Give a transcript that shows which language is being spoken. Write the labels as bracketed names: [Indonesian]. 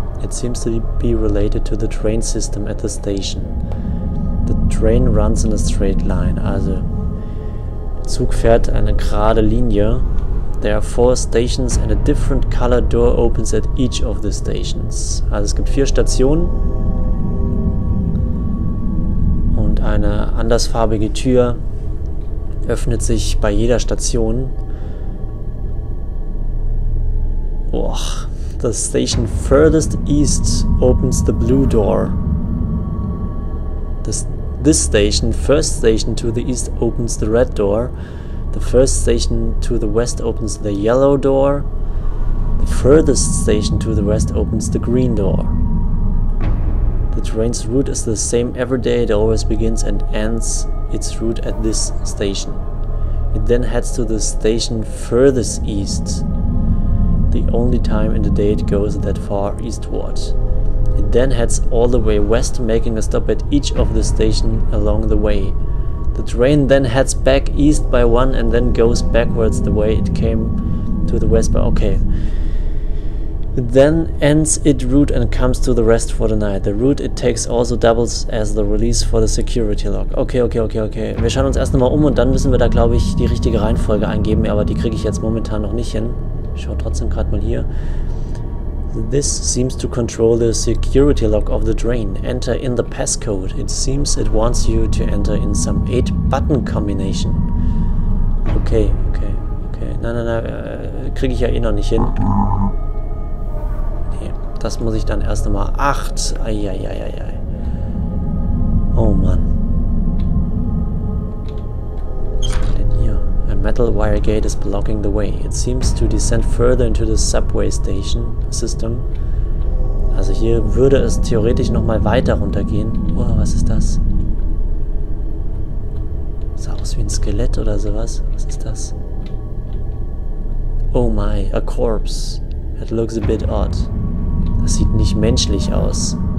[English] It seems to be related to the train system at the station. The train runs in a straight line. [German] Also, der Zug fährt eine gerade Linie. [English] There are four stations and a different color door opens at each of the stations. [German] Also es gibt vier Stationen und eine andersfarbige Tür öffnet sich bei jeder Station. [English] Boah, the station furthest east opens the blue door. This station, first station to the east, opens the red door. The first station to the west opens the yellow door. The furthest station to the west opens the green door. The train's route is the same every day. It always begins and ends its route at this station. It then heads to the station furthest east. The only time in the day it goes that far eastward. It then heads all the way west, making a stop at each of the stations along the way. The train then heads back east by one and then goes backwards the way it came to the west by... Okay. It then ends its route and comes to the rest for the night. The route it takes also doubles as the release for the security lock. Okay, okay, okay, okay. [German] Wir schauen uns erst nochmal um und dann müssen wir da, glaube ich, die richtige Reihenfolge eingeben. Aber die kriege ich jetzt momentan noch nicht hin. Ich schaue trotzdem gerade mal hier. [English] This seems to control the security lock of the train. Enter in the passcode. It seems it wants you to enter in some 8-button combination. Okay, okay, okay. [German] Nein, nein, nein, kriege ich ja eh noch nicht hin. Nee, das muss ich dann erst nochmal. 8. Eieieiei. Oh Mann. Was ist denn hier? [English] A metal wire gate is blocking the way. It seems to descend further into the subway station system. [German] Also hier würde es theoretisch noch mal weiter runtergehen. Oh, was ist das? Sah aus wie ein Skelett oder sowas. Was ist das? [English] Oh my, a corpse. It looks a bit odd. [German] Das sieht nicht menschlich aus.